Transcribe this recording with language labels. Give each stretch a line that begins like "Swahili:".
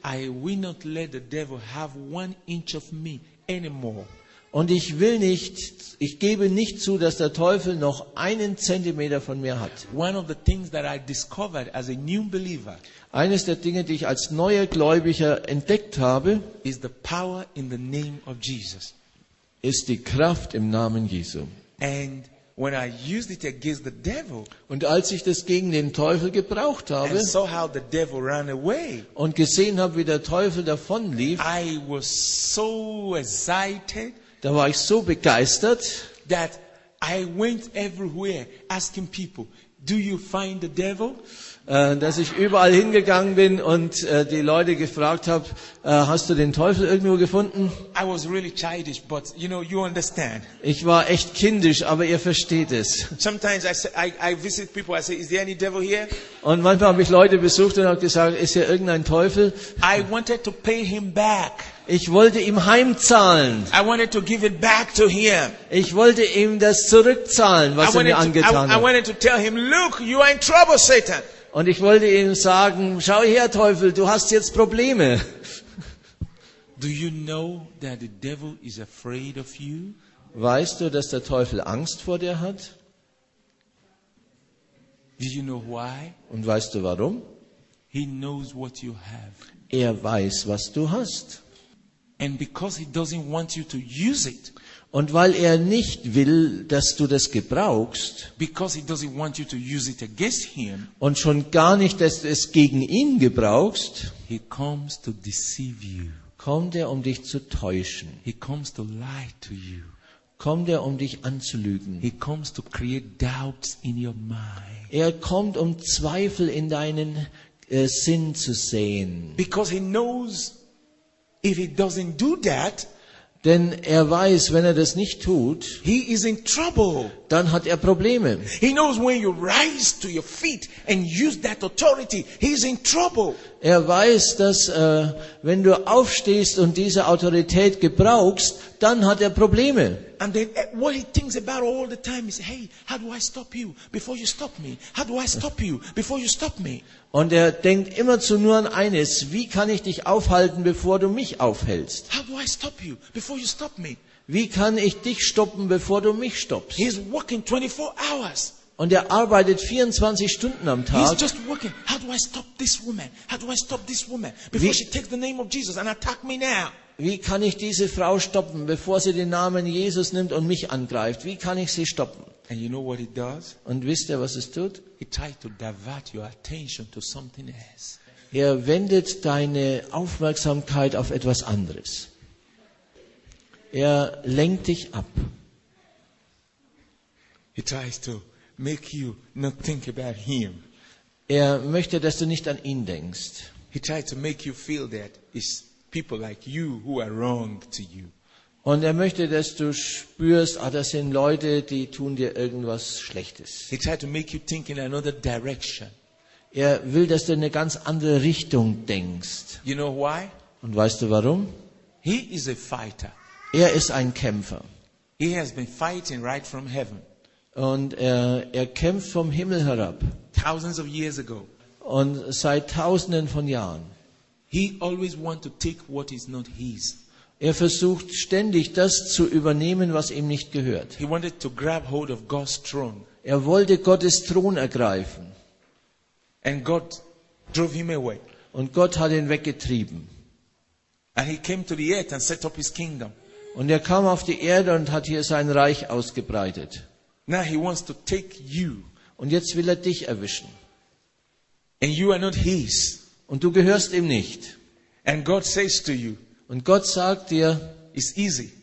English: I will not let the devil have one inch of me anymore.
German: Und ich will nicht, ich gebe nicht zu, dass der Teufel noch einen Zentimeter von mir hat.
English: One of the things that I discovered as a new believer,
German: eines der Dinge, die ich als neuer Gläubiger entdeckt habe,
English: is the power in the name of Jesus.
German: Ist die Kraft im Namen Jesu.
English: And when I used it against the devil,
German: und als ich das gegen den Teufel gebraucht habe
English: and saw how the devil ran away,
German: und gesehen habe, wie der Teufel davonlief,
English: I was so excited.
German: Da war ich so begeistert,
English: that I went everywhere asking people, do you find the devil?
German: Dass ich überall hingegangen bin und die Leute gefragt habe, hast du den Teufel irgendwo gefunden?
English: I was really childish, but you know, you understand.
German: Ich war echt kindisch, aber ihr versteht es.
English: Sometimes I visit people, I say, is there any devil here?
German: Und manchmal habe ich Leute besucht und habe gesagt, ist hier irgendein Teufel?
English: I wanted to pay him back.
German: Ich wollte ihm heimzahlen.
English: I wanted to give it back to him.
German: Ich wollte ihm das zurückzahlen, was er mir angetan hat.
English: I wanted to tell him, look, you are in trouble, Satan.
German: Und ich wollte ihm sagen, schau her, Teufel, du hast jetzt Probleme.
English: Do you know that the devil is afraid of you?
German: Weißt du, dass der Teufel Angst vor dir hat?
English: Do you know why?
German: Und weißt du warum?
English: He knows what you have.
German: Er weiß, was du hast.
English: And because he doesn't want you to use it.
German: Und weil er nicht will, dass du das gebrauchst.
English: Because he doesn't want you to use it against him.
German: Und schon gar nicht, dass du es gegen ihn gebrauchst.
English: He comes to deceive you.
German: Kommt er, um dich zu täuschen.
English: He comes to lie to you.
German: Kommt er, um dich anzulügen.
English: He comes to create doubts in your mind.
German: Er kommt, um Zweifel in deinen Sinn zu sehen.
English: Because he knows. If he doesn't do that,
German: denn er weiß, wenn er das nicht tut,
English: he is in trouble.
German: Dann hat er Probleme.
English: He knows when you rise to your feet and use that authority, he is in trouble.
German: Er weiß, dass wenn du aufstehst und diese Autorität gebrauchst, dann hat er Probleme.
English: And then what he thinks about all the time is, hey, how do I stop you before you stop me? How do I stop you before you stop me?
German: Und er denkt immerzu nur an eines, wie kann ich dich aufhalten, bevor du mich aufhältst?
English: How do I stop you before you stop me?
German: Wie kann ich dich stoppen, bevor du mich stoppst?
English: He's working 24 hours.
German: Und er arbeitet 24 Stunden am Tag.
English: He's just working. How do I stop this woman? How do I stop this woman before she takes the name of Jesus and attack me now?
German: Wie kann ich diese Frau stoppen, bevor sie den Namen Jesus nimmt und mich angreift? Wie kann ich sie stoppen?
English: And you know what it does?
German: Und wisst ihr, was es tut?
English: It tries to divert your attention to something else.
German: Er wendet deine Aufmerksamkeit auf etwas anderes. Er lenkt dich ab.
English: He tries to make you not think about him.
German: Er möchte, dass du nicht an ihn denkst.
English: He tries to make you feel that it's people like you who are wrong to you.
German: Und er möchte, dass du spürst, ah, das sind Leute, die tun dir irgendwas Schlechtes.
English: He tries to make you think in another direction.
German: Er will, dass du in eine ganz andere Richtung denkst.
English: You know why?
German: Und weißt du warum?
English: He is a fighter.
German: Er ist ein Kämpfer.
English: He has been fighting right from heaven.
German: Und er kämpft vom Himmel herab.
English: Thousands of years ago.
German: Und seit Tausenden von Jahren.
English: He always wants to take what is not his.
German: Er versucht ständig, das zu übernehmen, was ihm nicht gehört.
English: He wanted to grab hold of God's throne.
German: Er wollte Gottes Thron ergreifen.
English: And God drove him away.
German: Und Gott hat ihn weggetrieben.
English: And he came to the earth and set up his kingdom.
German: Und er kam auf die Erde und hat hier sein Reich ausgebreitet.
English: Now he wants to take you.
German: Und jetzt will er dich erwischen.
English: And you are not his.
German: Und du gehörst ihm nicht.
English: And God says to you,
German: und Gott sagt dir,
English: it's easy.